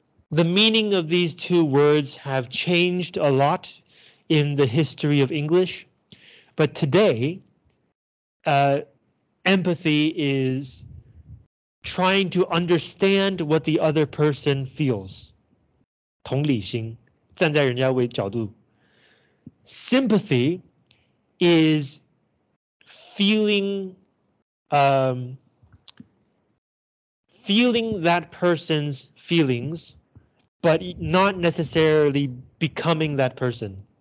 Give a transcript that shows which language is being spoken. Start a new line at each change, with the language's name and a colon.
English: The meaning of these two words have changed a lot in the history of English, but today, empathy is trying to understand what the other person feels.
Chinese: 同理心, 站在人家为角度.
English: Sympathy is feeling, feeling that person's feelings, but not necessarily becoming that person.